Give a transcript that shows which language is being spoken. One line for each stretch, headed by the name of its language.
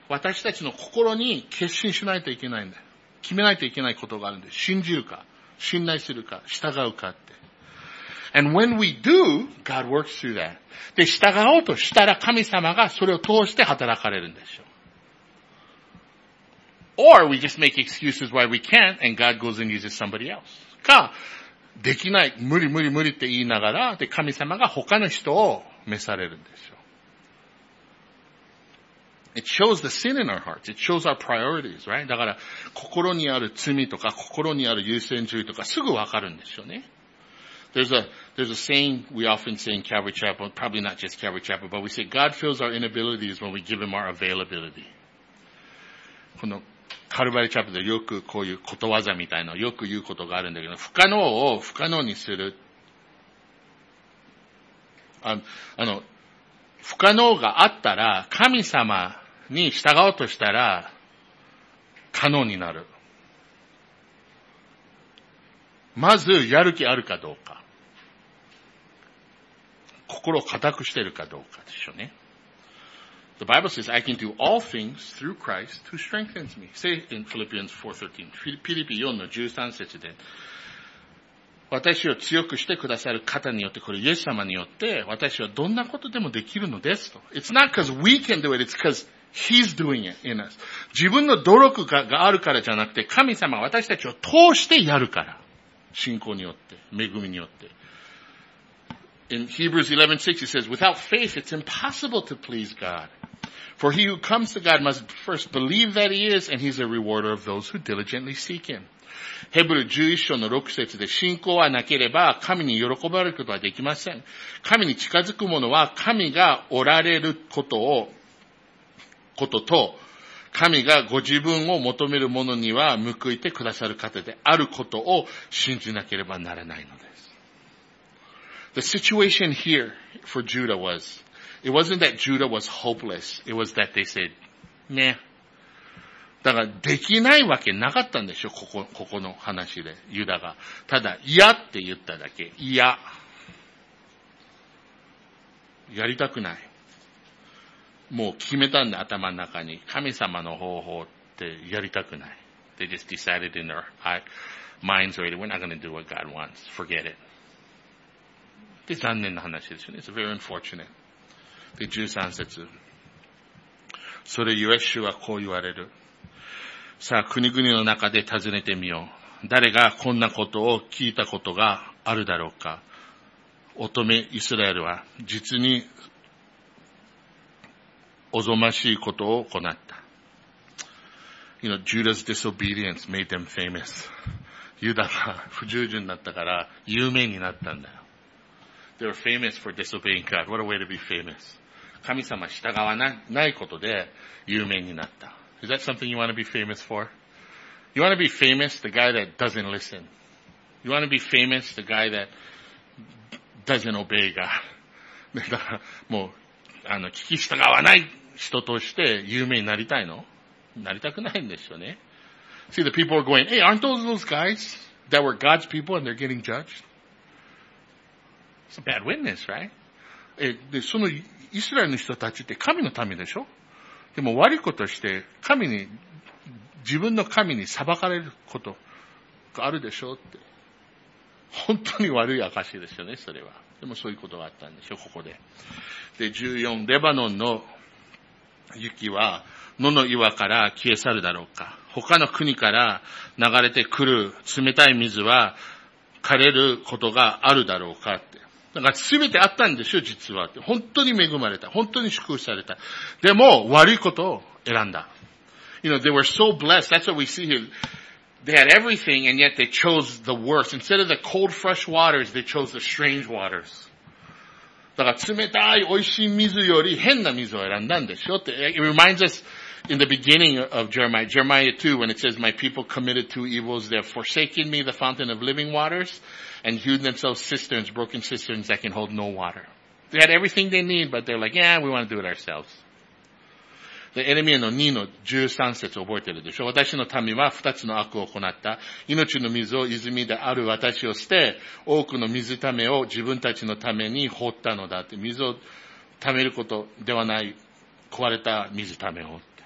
Japanese: 私たちの心に決心しないといけないんだ。決めないといけないことがあるんで、信じるか、信頼するか、従うかって。
English: And when we do, God works through that.
Japanese: で、従おうとしたら神様がそれを通して働かれるんでしょう。
English: Or we just make excuses why we can't and God goes and uses somebody else.
Japanese: か、できない、無理無理無理って言いながら、で、神様が他の人を召されるんでしょう。
English: It shows the sin in our hearts. It shows our priorities, right?
Japanese: だから、心にある罪とか、心にある優先順位とか、すぐわかるんでしょうね。
English: There's a saying we often say in Calvary Chapel, probably not just Calvary Chapel, but we say God fills our inabilities when we give Him our availability.
Japanese: このカルバリチャペルでよくこういうことわざみたいなよく言うことがあるんだけど、不可能を不可能にする。不可能があったら神様に従おうとしたら可能になる。まずやる気あるかどうか。心を固くしているかどうかでしょうね。
English: The Bible says, I can do all things through Christ who strengthens me. Say in Philippians 4:13.
Japanese: ピリピ4の13節で、私を強くしてくださる方によって、これイエス様によって、私はどんなことでもできるのですと。
English: It's not because we can do it, it's because He's doing it in us.
Japanese: 自分の努力があるからじゃなくて、神様は私たちを通してやるから。信仰によって、恵みによって。
English: In Hebrews 11:6, he says, without faith, it's impossible to please God. For he who comes to God must first believe that he is, and he's a rewarder of those who diligently seek him.
Japanese: ヘブル11章の6節で、信仰はなければ神に喜ばれることはできません。神に近づく者は神がおられることを、ことと、神がご自分を求める者には報いてくださる方であることを信じなければならないのです。
English: The situation here for Judah was, It wasn't that Judah was hopeless. It was that they said, meh.
Japanese: だから、できないわけなかったんでしょ、ここの話で、ユダが。ただ、いやって言っただけ。いや。やりたくない。もう決めたんだ、頭の中に。神様の方法ってやりたくない。
English: They just decided in their minds already, we're not going to do what God wants. Forget it.
Japanese: で、残念な話ですよね。
English: It's very unfortunate.
Japanese: で、13節。それゆえ、主はこう言われる。さあ、国々の中で尋ねてみよう。誰がこんなことを聞いたことがあるだろうか。乙女イスラエルは実におぞましいことを行った。
English: You know, Judah's disobedience made them famous.
Japanese: ユダが不従順だったから有名になったんだよ。
English: They were famous for disobeying God. What a way to be famous.
Japanese: 神様従わないことで有名になった。
English: Is that something you want to be famous for? You want to be famous, the guy that doesn't listen. You want to be famous, the guy that doesn't obey God.
Japanese: だから、もう、聞き従わない人として有名になりたいの？なりたくないんでしょうね。
English: See, the people are going, hey, aren't those guys that were God's people and they're getting judged? It's a bad witness, right?
Japanese: で、そのイスラエルの人たちって神の民でしょ？でも悪いことして神に、自分の神に裁かれることがあるでしょうって。本当に悪い証ですよね、それは。でもそういうことがあったんでしょう、ここで。で、14、レバノンの雪は野の岩から消え去るだろうか。他の国から流れてくる冷たい水は枯れることがあるだろうかって。だから全てあったんでしょ、実は。本当に恵まれた。本当に祝福された。でも、悪いことを選んだ。
English: You know, they were so blessed. That's what we see here. They had everything, and yet they chose the worst. Instead of the cold, fresh waters, they chose the strange waters.
Japanese: だから冷たい、美味しい水より変な水を選んだんでしょって。
English: It reminds us in the beginning of Jeremiah. Jeremiah 2, when it says, My people committed two evils. They have forsaken me, the fountain of living waters. And hewed themselves cisterns, broken cisterns that can hold no water. They had everything they need, but they're like, yeah, we want to do it ourselves.
Japanese: The enemy の2の13節を覚えてるでしょ。私の民は2つの悪を行った。命の水を泉である私を捨て、多くの水ためを自分たちのために掘ったのだって。水をためることではない、壊れた水ためをって。